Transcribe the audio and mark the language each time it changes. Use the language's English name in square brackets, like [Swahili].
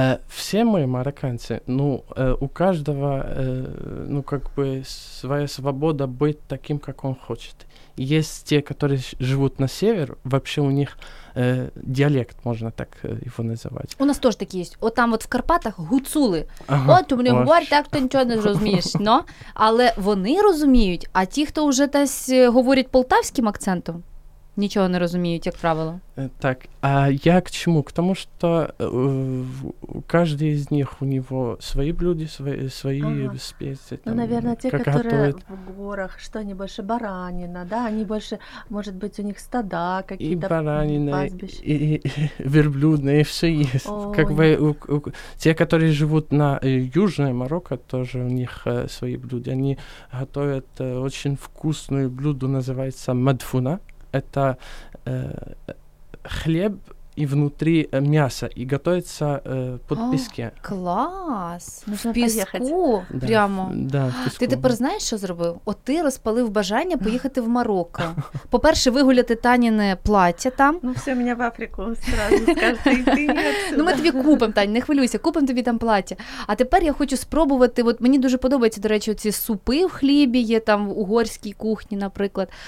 [Russian] Все мы марокканцы, ну, у каждого, ну, как бы своя свобода быть таким, как он хочет. Есть те, которые живут на север, вообще у них диалект, можно так его называть. У нас тоже такие есть. Вот там вот в Карпатах гуцули. Ага, вот у них говорят, так ты ничего не разумеешь. [Ukrainian] Но, але вони розуміють, а ті, хто уже десь говорить полтавським акцентом, нічого не розуміють, як правило. [Russian] Так, а я к чому? К тому, що каждый из них, у него [Ukrainian] свої блюда, свої спеції. [Russian] Ну, наверное, те, которые в горах, что они больше баранина, да, они больше, может быть, у них стада какие-то, баранина, и верблюдные, все есть. Как бы те, которые живут на южной Марокко, тоже у них свои блюда. Они готовят очень вкусное блюдо, называется мадфуна. Это хлеб и внутри мяса и готовится под песке. Класс! Нужно поехать. Прямо. Да, [Ukrainian] ты тепер знаєш, що зробив? От ти розпалив бажання поїхати в Марокко. По-перше, вигуляти Таніне плаття там. Ну все, мене в Африку одразу скажете, йти. Ну ми тобі купимо, Таня, не хвилюйся, купимо тобі там плаття. А тепер я хочу спробувати, от мені дуже подобається, до речі, оці супи в хлібі є там в угорській кухні, наприклад.